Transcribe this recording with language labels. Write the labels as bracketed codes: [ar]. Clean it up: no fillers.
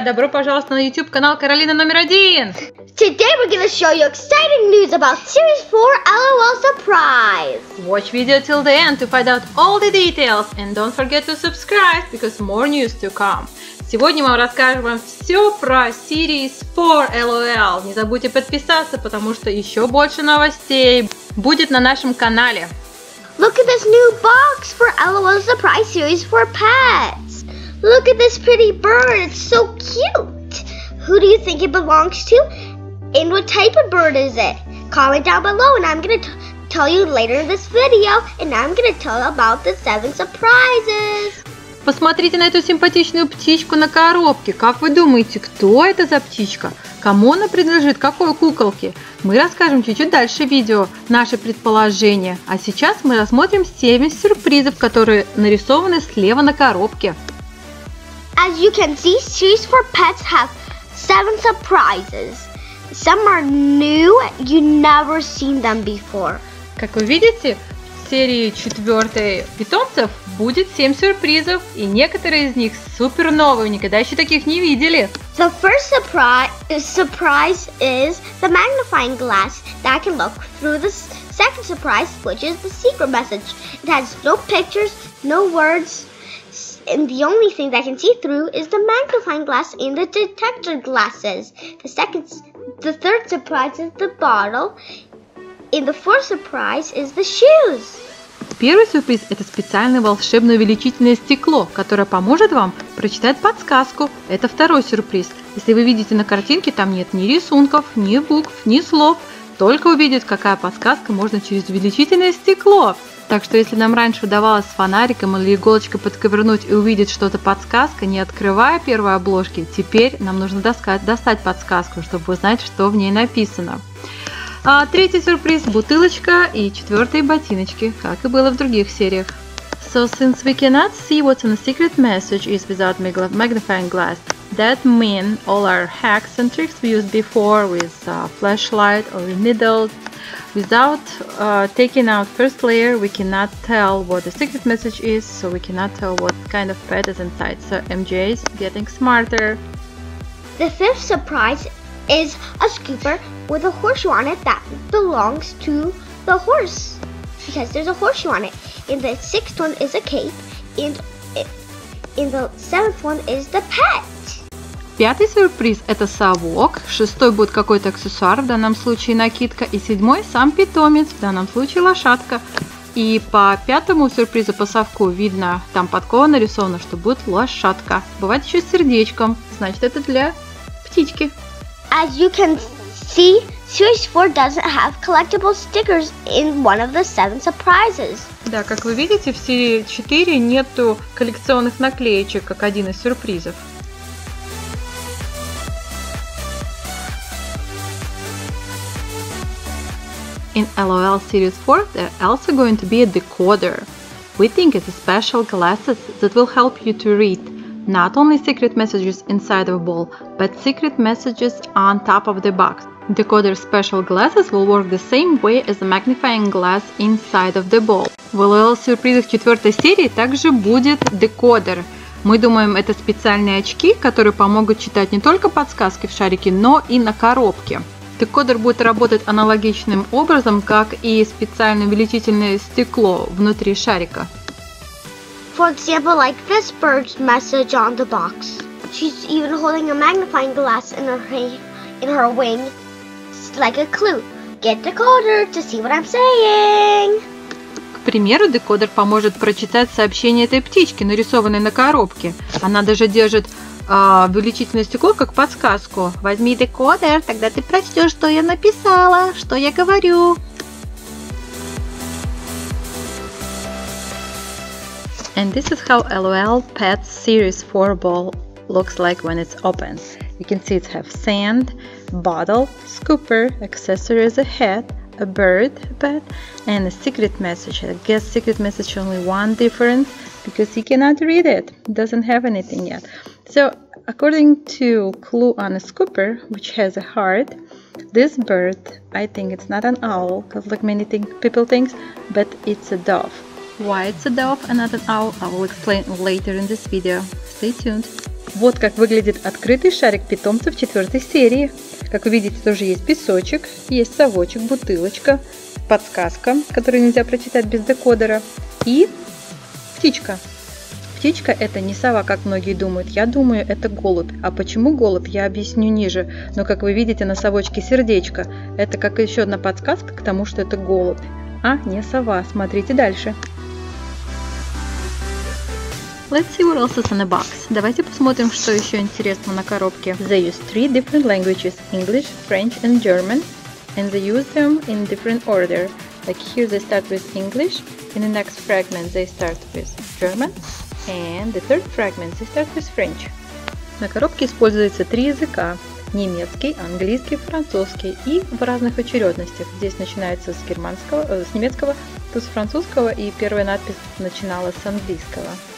[ru] Добро пожаловать на YouTube канал Каролина номер один. [en] Today we're gonna show you exciting news about Series 4 LOL Surprise. Watch video till the end to find out all the details and don't forget to subscribe because more news to come. [ru] Сегодня мы расскажем вам все про Series 4 LOL. Не забудьте подписаться, потому что еще больше новостей будет на нашем канале. [en] Look at this new box for LOL Surprise Series for Pets. Look at this pretty bird, it's so cute. Who do you think it belongs to? And what type of bird is it? Comment down below and I'm gonna tell you later in this video. And I'm gonna tell about the 7 surprises. [ru] Посмотрите на эту симпатичную птичку на коробке. Как вы думаете, кто это за птичка? Кому она принадлежит? Какой куколке? Мы расскажем чуть-чуть дальше в видео наши предположения. А сейчас мы рассмотрим 7 сюрпризов, которые нарисованы слева на коробке. [en] As you can see, Series 4 Pets have 7 surprises. Some are new, you never seen them before. [ru] Как вы видите, в серии 4 питомцев будет 7 сюрпризов, и некоторые из них супер новые, вы никогда еще таких не видели. [en] The first surprise is the magnifying glass that can look through. The second surprise, which is the secret message. It has no pictures, no words, and the only thing that can see through is the magnifying glass and the detector glasses. The third surprise is the bottle, and the fourth surprise is the shoes. [ru] Первый сюрприз – это специальное волшебное увеличительное стекло, которое поможет вам прочитать подсказку. Это второй сюрприз. Если вы видите на картинке, там нет ни рисунков, ни букв, ни слов. Только увидеть, какая подсказка можно через увеличительное стекло. Так что, если нам раньше удавалось с фонариком или иголочкой подковырнуть и увидеть что-то подсказка, не открывая первой обложки, теперь нам нужно достать подсказку, чтобы узнать, что в ней написано. А третий сюрприз – бутылочка и четвертые ботиночки, как и было в других сериях. [en] So since we cannot see what's in the secret message is without magnifying glass, that means all our hacks and tricks we used before with flashlight or needle, without taking out first layer, we cannot tell what the secret message is, so we cannot tell what kind of pet is inside. So MJ is getting smarter. The fifth surprise is a scooper with a horseshoe on it that belongs to the horse, because there's a horseshoe on it. And the sixth one is a cape, and the seventh one is the pet. [ru] Пятый сюрприз – это совок, шестой будет какой-то аксессуар, в данном случае накидка, и седьмой – сам питомец, в данном случае лошадка. И по пятому сюрпризу, по совку, видно, там подкова нарисована, что будет лошадка. Бывает еще с сердечком, значит, это для птички. [en] As you can see, Series 4 doesn't have collectible stickers in one of the 7 surprises. [ru] Да, как вы видите, в серии 4 нету коллекционных наклеечек, как один из сюрпризов. [en] In LOL Series 4, there also going to be a decoder. We think it's a special glasses that will help you to read. Not only secret messages inside of a ball, but secret messages on top of the box. Decoder special glasses will work the same way as the magnifying glass inside of the ball. [ru] В LOL сюрпризах 4 серии также будет декодер. Мы думаем, это специальные очки, которые помогут читать не только подсказки в шарике, но и на коробке. Декодер будет работать аналогичным образом, как и специальное увеличительное стекло внутри шарика. [en] For example, like this bird's message on the box. She's even holding a magnifying glass in her wing. It's like a clue. Get decoder to see what I'm saying. [ru] К примеру, декодер поможет прочитать сообщение этой птички, нарисованной на коробке. Она даже держит увеличительное стекло как подсказку. Возьми декодер, тогда ты прочтешь, что я написала, что я говорю. [en] And this is how LOL Pets Series 4 ball looks like when it's open. You can see it has sand, bottle, scooper, accessories, a hat, a bird, a pet, and a secret message. I guess secret message only one difference because you cannot read it. It doesn't have anything yet. So according to clue on a scooper, which has a heart, this bird, I think it's not an owl, because like many people think, but it's a dove. Why it's a dove and not an owl, I will explain later in this video. Stay tuned. [ru] Вот как выглядит открытый шарик питомца в четвертой серии. Как вы видите, тоже есть песочек, есть совочек, бутылочка, подсказка, которую нельзя прочитать без декодера, и птичка. Птичка – это не сова, как многие думают. Я думаю, это голубь. А почему голубь, я объясню ниже. Но, как вы видите, на совочке сердечко. Это как еще одна подсказка к тому, что это голубь, а не сова. Смотрите дальше. [en] Let's see what else is in the box. [ru] Давайте посмотрим, что еще интересного на коробке. [en] They use three different languages – English, French and German. And they use them in different order. Like here they start with English. In the next fragment they start with German. And the third fragment, they start with French. [ru] На коробке используются три языка: немецкий, английский, французский, и в разных очередностях. Здесь начинается с германского, с немецкого, то с французского, и первая надпись начинала с английского.